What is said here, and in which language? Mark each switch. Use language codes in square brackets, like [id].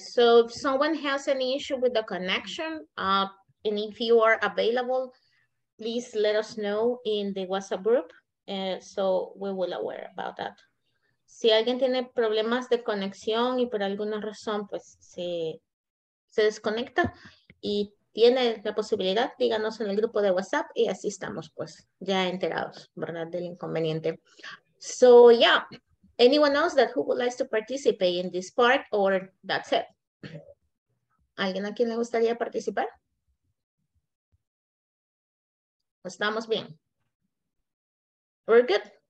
[en] So if someone has any issue with the connection, and if you are available, please let us know in the WhatsApp group. So we will aware about that. [es] Si alguien tiene problemas de conexión y por alguna razón, pues se desconecta y tiene la posibilidad, díganos en el grupo de WhatsApp y así estamos, pues, ya enterados, ¿verdad?, del inconveniente. [en] So, yeah. Anyone else that who would like to participate in this part or that's it? [es] ¿Alguien a quien le gustaría participar? Estamos bien. [en] We're good.